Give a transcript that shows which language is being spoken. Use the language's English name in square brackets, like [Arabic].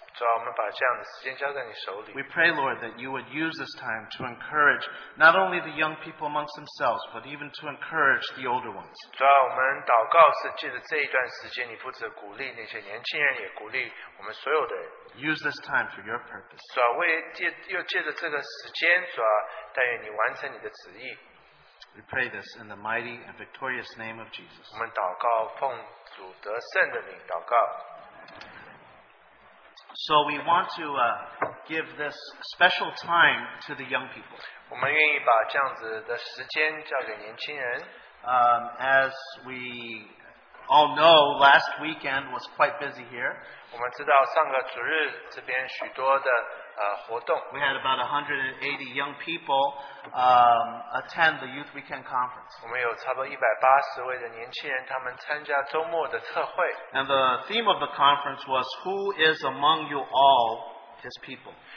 [Chinese] 主啊,我们把这样的时间交在你手里。 [English] We pray, Lord, that you would use this time to encourage not only the young people amongst themselves, but even to encourage the older ones. [Chinese] 主啊,我们祷告是借着这一段时间,你负责鼓励那些年轻人,也鼓励我们所有的人。 [English] Use this time for your purpose. [Chinese] 主啊,为借着这个时间,主啊,但愿你完成你的旨意。 [English] We pray this in the mighty and victorious name of Jesus. [Chinese] 我们祷告奉主得胜的名祷告。 [English] So we want to give this special time to the young people. [Chinese] 我们愿意把这样子的时间交给年轻人。 [English] As we all know, last weekend was quite busy here. [Chinese] 我们知道上个主日这边许多的 [English] We had about 180 young people attend the Youth Weekend Conference. And the theme of the conference was, Who is among you all his people?